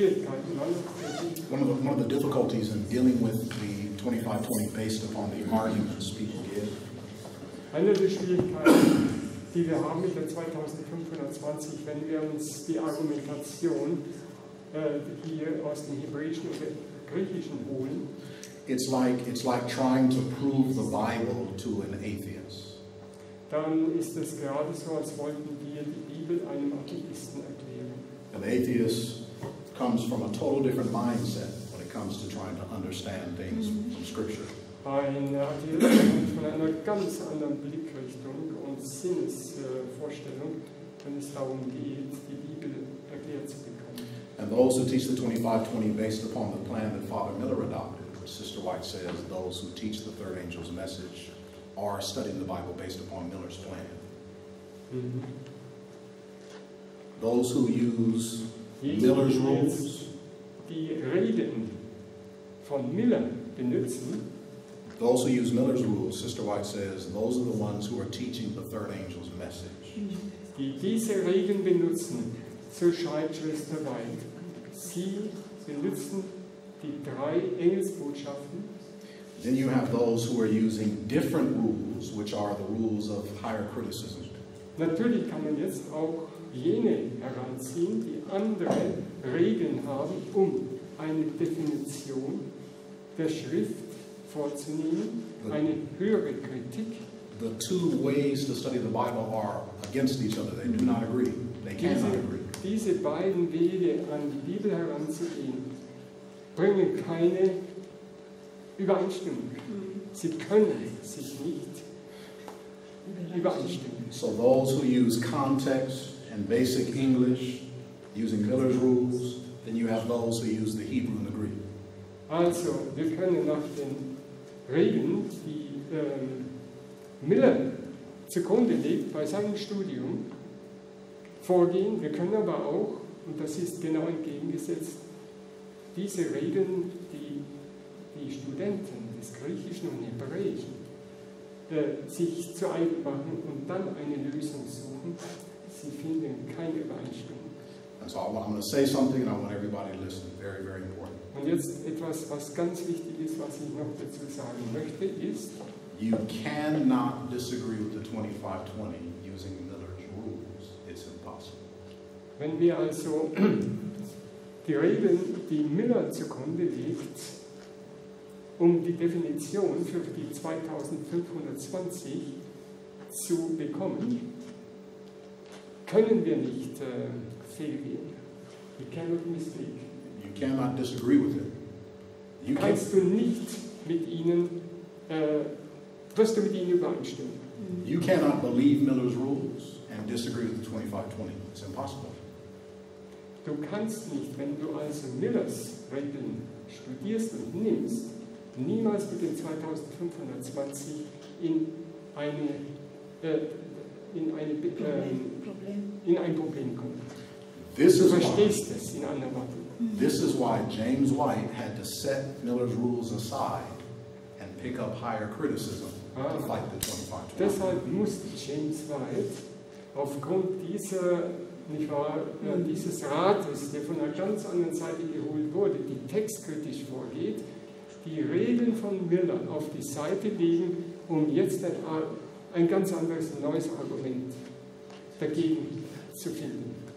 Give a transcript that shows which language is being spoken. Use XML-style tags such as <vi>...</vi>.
<en>One of the difficulties in dealing with the 25-20 based upon the arguments people give.</en> <de>Eine der Schwierigkeiten, die wir haben mit der 2520, wenn wir uns die Argumentation hier aus dem Hebräischen und Griechischen holen.</de> <en>It's like trying to prove the Bible to an atheist.</en> <de>Dann ist es gerade so, als wollten wir die Bibel einem Atheisten erklären.</de> <en>An atheist comes from a total different mindset when it comes to trying to understand things from Scripture.</en> <de>Eine Atheistin kommt von einer ganz anderen Blickrichtung und Sinnesvorstellung, wenn es darum geht, die Bibel erklärt zu bekommen.</de> <en>And those who teach the 25-20 based upon the plan that Father Miller adopted, Sister White says, those who teach the third angel's message are studying the Bible based upon Miller's plan. Those who use Miller's rules, those who use Miller's rules, Sister White says, those are the ones who are teaching the third angel's message.</en> <de>Die diese Regeln benutzen, so schreibt Schwester White, sie benutzen die drei Engelsbotschaften.</de> <en>Then you have those who are using different rules, which are the rules of higher criticism.</en> <de>Natürlich kann man jetzt auch jene heranziehen, die andere Regeln haben, um eine Definition der Schrift vorzunehmen, eine höhere Kritik.</de> <en>The two ways to study the Bible are against each other. They do not agree. They cannot agree.</en> <de>Diese beiden Wege, an die Bibel heranzugehen, bringen keine Übereinstimmung. Sie können sich nicht übereinstimmen.</de> <en>So those who use context and basic English using Miller's rules, then you have those who use the Hebrew and the Greek.</en> <de>Also, wir können nach den Regeln, die Miller zugrunde legt bei seinem Studium, vorgehen. Wir können aber auch, und das ist genau entgegengesetzt, diese Regeln, die die Studenten des Griechischen und Hebräischen sich zu eigen machen und dann eine Lösung suchen, sie finden keine Übereinstimmung.</de> <en>And so I'm going to say something and I want everybody to listen. Very, very important.</en> <de>Und jetzt etwas, was ganz wichtig ist, was ich noch dazu sagen möchte, ist:</de> <en>You cannot disagree with the 25-20 using Miller's rules. It's impossible.</en> <de>Wenn wir also die Regeln, die Miller zugrunde legt, um die Definition für die 2520 zu bekommen, können wir nicht fehlgehen.</de> <en>We cannot mistake. You cannot disagree with it. You</en> <de>kannst du nicht mit ihnen, wirst du mit ihnen übereinstimmen.</de> <en>You cannot believe Miller's rules and disagree with the 2520. It's impossible.</en> <de>Du kannst nicht, wenn du also Millers Regeln studierst und nimmst, niemals mit den 2520 in ein Problem kommen.</de> <en>This</en> <de>du verstehst es in anderen Worten.</de> <en>This is why James White had to set Miller's rules aside and pick up higher criticism to fight the 2520.</en> <de>Deshalb musste James White aufgrund dieser dieses Rates, der von einer ganz anderen Seite geholt wurde, die textkritisch vorgeht, die Regeln von Miller auf die Seite legen, um jetzt ein ganz anderes, neues Argument dagegen zu finden.</de>